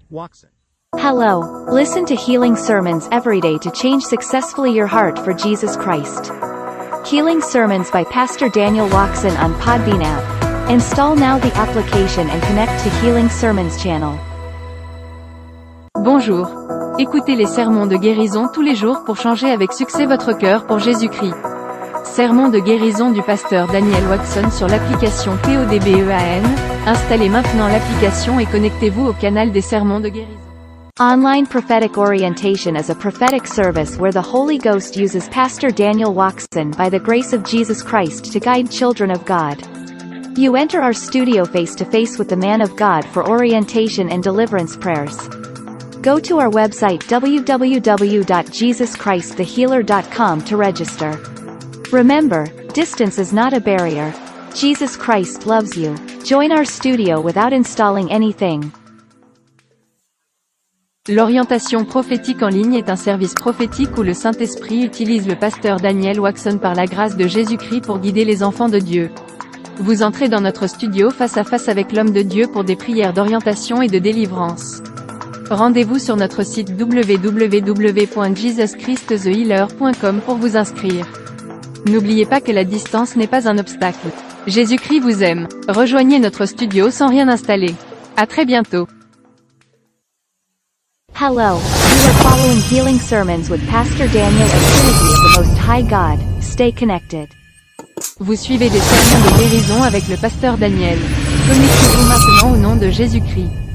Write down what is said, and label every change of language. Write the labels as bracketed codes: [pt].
[en] Watson. Hello. Listen to Healing Sermons every day to change successfully your heart for Jesus Christ. Healing Sermons by Pastor Daniel Watson on Podbean app. Install now the application and connect to Healing Sermons channel. [fr] Bonjour. Écoutez les sermons de guérison tous les jours pour changer avec succès votre cœur pour Jésus-Christ. Sermon de guérison du pasteur Daniel Watson sur l'application PODBEAN. Installez maintenant l'application et connectez-vous au canal des sermons de guérison. [en] Online prophetic orientation is a prophetic service where the Holy Ghost uses Pastor Daniel Watson by the grace of Jesus Christ to guide children of God. You enter our studio face to face with the man of God for orientation and deliverance prayers. Go to our website www.jesuschristthehealer.com to register. Remember, distance is not a barrier. Jesus Christ loves you. Join our studio without installing anything. [fr] L'orientation prophétique en ligne est un service prophétique où le Saint-Esprit utilise le pasteur Daniel Watson par la grâce de Jésus-Christ pour guider les enfants de Dieu. Vous entrez dans notre studio face à face avec l'homme de Dieu pour des prières d'orientation et de délivrance. Rendez-vous sur notre site www.jesuschristthehealer.com pour vous inscrire. N'oubliez pas que la distance n'est pas un obstacle. Jésus-Christ vous aime. Rejoignez notre studio sans rien installer. À très bientôt. [en] Hello. You are following Healing Sermons with Pastor Daniel of Trinity of the Most High God. Stay connected. [fr] Vous suivez des sermons de guérison avec le pasteur Daniel. Connectez-vous maintenant au nom de Jésus-Christ.